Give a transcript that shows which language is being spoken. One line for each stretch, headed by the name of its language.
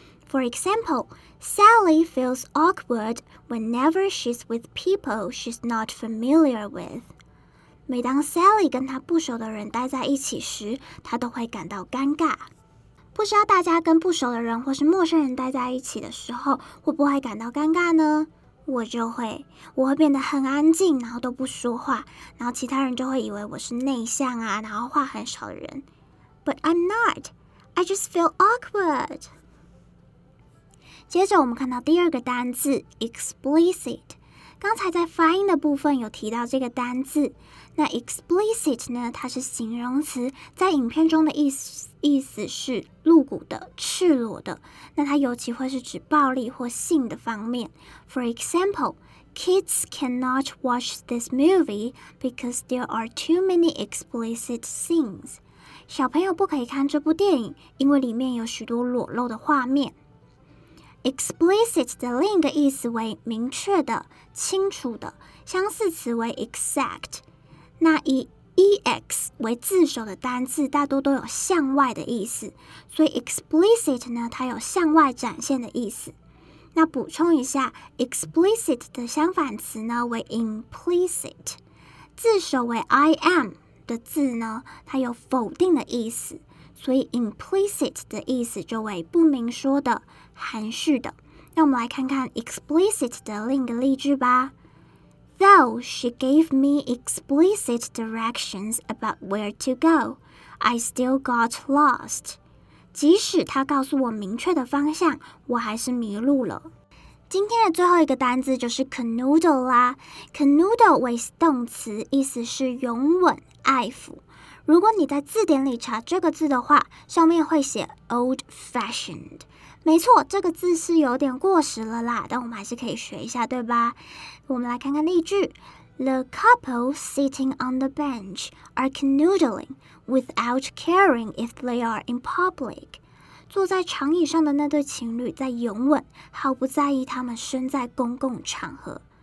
English: For example， Sally feels awkward whenever she's with people she's not familiar with。
Chinese: 每当 Sally 跟她不熟的人待在一起时，她都会感到尴尬。不知道大家跟不熟的人或是陌生人待在一起的时候会不会感到尴尬呢？我会变得很安静，然后都不说话，然后其他人就会以为我是内向啊，然后话很少的人。
English: But I'm not. I just feel awkward.
Chinese: 接着我们看到第二个单字
English: explicit。
Chinese: 刚才在发音的部分有提到这个单字，那 explicit 呢，它是形容词，在影片中的意思是露骨的、赤裸的，那它尤其会是指暴力或性的方面。
English: For example, kids cannot watch this movie because there are too many explicit scenes.
Chinese: 小朋友不可以看这部电影，因为里面有许多裸露的画面。 Explicit 的另一个意思为明确的、清楚的，相似词为 exact。那以ex 为字首的单字大多都有向外的意思，所以 explicit 呢，它有向外展现的意思。那补充一下， explicit 的相反词呢为 implicit， 字首为 I am 的字呢，它有否定的意思，所以 implicit 的意思就为不明说的、含蓄的。那我们来看看 explicit 的另一个例句吧。
English: Though she gave me explicit directions about where to go, I still got lost.
Chinese: 即使她告诉我明确的方向，我还是迷路了。今天的最后一个单字就是 canoodle 啦。canoodle 为动词，意思是拥吻、爱抚。如果你在字典里查这个字的话，上面会写 old-fashioned，没错，这个字是有点过时了啦，但我们还是可以学一下，对吧？我们来看看例句。
English: The couple sitting on the bench are canoodling without caring if they are in public.
Chinese: 坐在长椅上的那对情侣在拥吻，毫不在意他们身在公共场合。